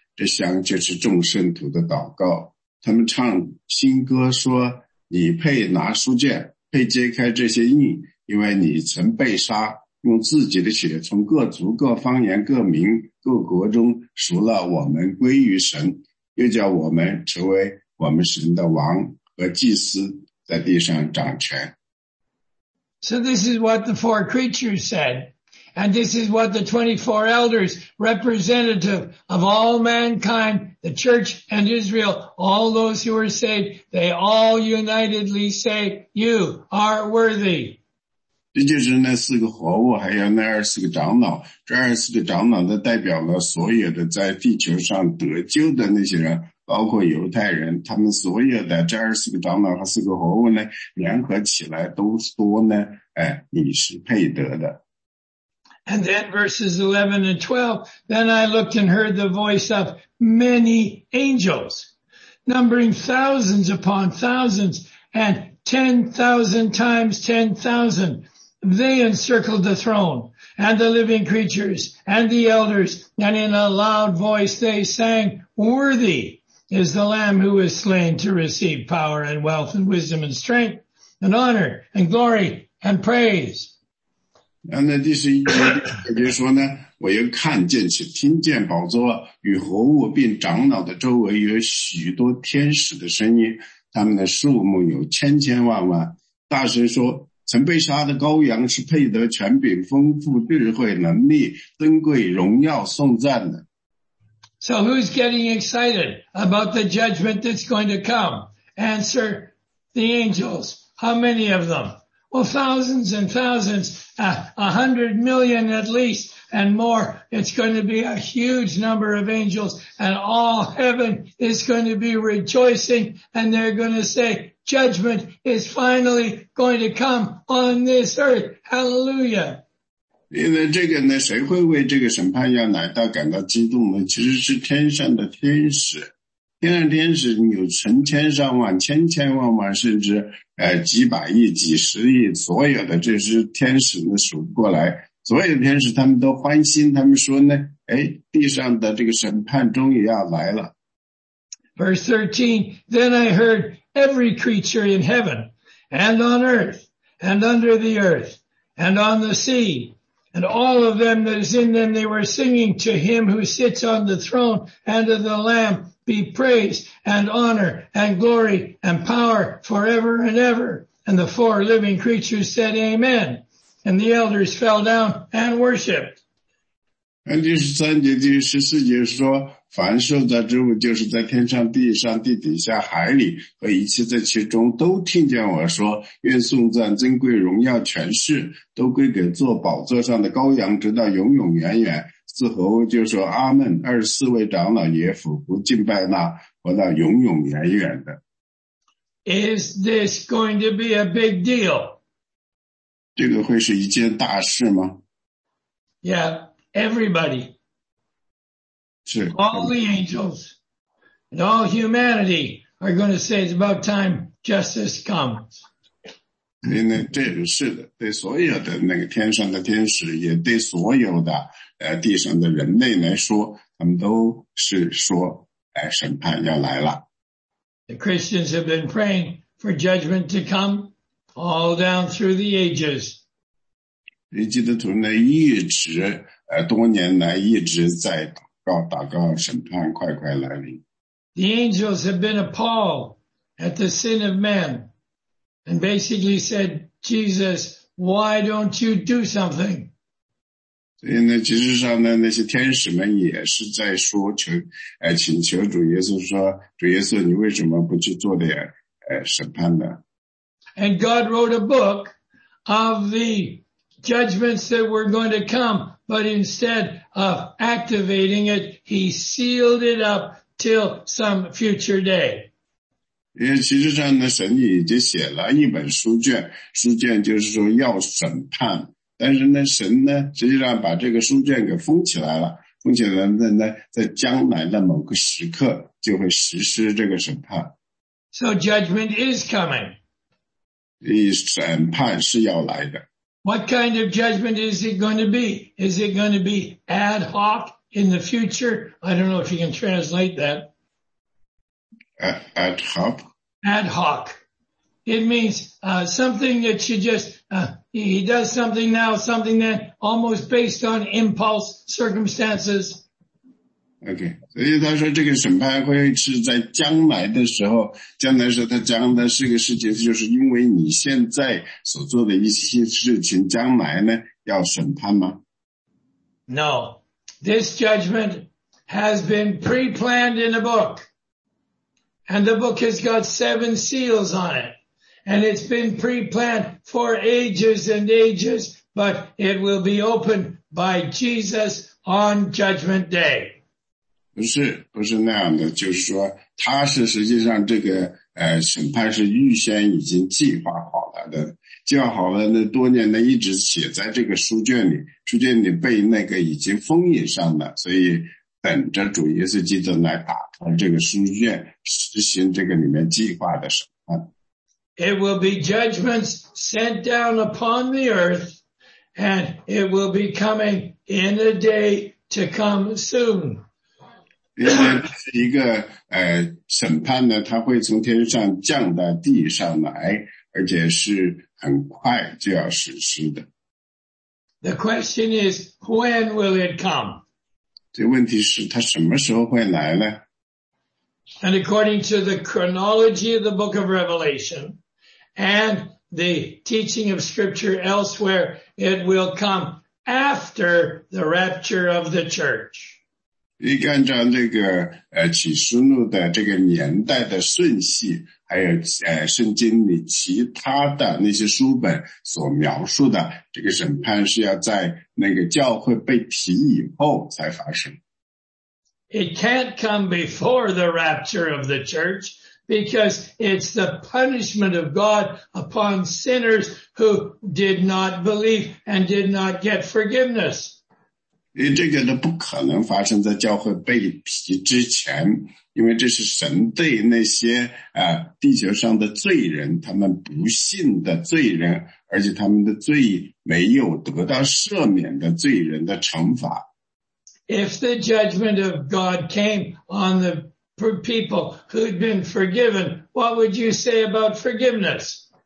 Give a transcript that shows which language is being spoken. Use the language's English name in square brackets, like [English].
[Chinese] 这香就是众圣徒的祷告。他们唱新歌说，你配拿书卷，配揭开这些印，因为你曾被杀，用自己的血从各族、各方言、各民、各国中赎了我们归于神，又叫我们成为我们神的王和祭司，在地上掌权。 [English] So this is what the four creatures said. And this is what the 24 elders, representative of all mankind, the church and Israel, all those who are saved, they all unitedly say, you are worthy. [Chinese] 这就是那四个活物，还有那二十四个长老。这二十四个长老代表了所有的在地球上得救的那些人，包括犹太人。他们所有的这二十四个长老和四个活物呢，联合起来都说呢，哎，你是配得的。 [English] And then verses 11 and 12, then I looked and heard the voice of many angels, numbering thousands upon thousands and 10,000 times 10,000. They encircled the throne and the living creatures and the elders. And in a loud voice, they sang, worthy is the Lamb who was slain to receive power and wealth and wisdom and strength and honor and glory and praise. [Chinese] 然后呢，第十一节就说呢，我又看见且听见宝座与活物并长老的周围有许多天使的声音，他们的数目有千千万万。大声说，曾被杀的羔羊是配得权柄、丰富智慧、能力、尊贵、荣耀、颂赞的。 [English] So who's getting excited about the judgment that's going to come? Answer, the angels. How many of them? Well, thousands and thousands, 100 million at least and more. It's going to be a huge number of angels, and all heaven is going to be rejoicing, and they're going to say judgment is finally going to come on this earth. Hallelujah. [Chinese] 因为这个呢，谁会为这个审判要来到感到激动呢？其实是天上的天使，天上天使有成千上万、千千万万，甚至几百亿、几十亿，所有的这些天使呢数不过来，所有的天使他们都欢欣，他们说呢，哎，地上的这个审判终于要来了。 [English] Verse 13, then I heard every creature in heaven, and on earth, and under the earth, and on the sea. And all of them that is in them, they were singing to him who sits on the throne and to the Lamb, be praise and honor and glory and power forever and ever. And the four living creatures said, Amen. And the elders fell down and worshipped. [Chinese] 第十三节、第十四节说，凡受造之物，就是在天上、地上、地底下、海里和一切在其中，都听见我说：“愿颂赞、尊贵、荣耀、权势，都归给坐宝座上的羔羊，直到永永远远。” 四合物就说：“阿门。” 二十四位长老也俯伏敬拜那活到永永远远的。 [English] Is this going to be a big deal? [Chinese] 这个会是一件大事吗 [English] ？Yeah, everybody. All the angels and all humanity are going to say it's about time justice comes. [Chinese] 这是的，对所有的那个天上的天使，也对所有的地上的人类来说，他们都是说，审判要来了。 [English] The Christians have been praying for judgment to come all down through the ages. [Chinese] 基督徒呢，一直多年来一直在。 [English] The angels have been appalled at the sin of man and basically said, Jesus, why don't you do something? [Chinese] 所以呢，其实上呢，那些天使们也是在说求，请求主耶稣说，主耶稣，你为什么不去做点，审判呢？ [English] And God wrote a book of the judgments that were going to come. But instead of activating it, he sealed it up till some future day. [Chinese] 因为其实上呢，神已经写了一本书卷，书卷就是说要审判。但是呢，神呢，实际上把这个书卷给封起来了，封起来了呢，在将来的某个时刻就会实施这个审判。 [English] So judgment is coming. [Chinese] 审判是要来的。 [English] What kind of judgment is it going to be? Is it going to be ad hoc in the future? I don't know if you can translate that. Ad hoc? Ad hoc. It means something that you just, he does something now, something then, almost based on impulse circumstances. Okay. [Chinese] 所以他说这个审判会是在将来的时候，将来是他将来是个事情，就是因为你现在所做的一些事情，将来呢要审判吗 [English] ？No, this judgment has been pre-planned in a book, and the book has got seven seals on it, and it's been pre-planned for ages and ages, but it will be opened by Jesus on Judgment Day. [Chinese] 不是那样的，就是说，他是实际上这个审判是预先已经计划好了的，计划好了那多年呢一直写在这个书卷里，书卷里被那个已经封印上了，所以等着主耶稣基督来打开这个书卷，实行这个里面计划的审判。 [English] It will be judgments sent down upon the earth, and it will be coming in a day to come soon. [Chinese] 因为是一个审判呢，它会从天上降到地上来，而且是很快就要实施的。 [English] The question is, when will it come? [Chinese] 这问题是它什么时候会来呢 [English] ？And according to the chronology of the Book of Revelation and the teaching of Scripture elsewhere, it will come after the rapture of the church. [Chinese] 一个按照这个启示录的这个年代的顺序，还有圣经里其他的那些书本所描述的，这个审判是要在那个教会被提以后才发生。 [English] It can't come before the rapture of the church because it's the punishment of God upon sinners who did not believe and did not get forgiveness. [Chinese] 因为这个都不可能发生在教会被提之前，因为这是神对那些地球上的罪人，他们不信的罪人，而且他们的罪没有得到赦免的罪人的惩罚。 [English] If the judgment of God came on the people who'd been forgiven, what would you say about forgiveness?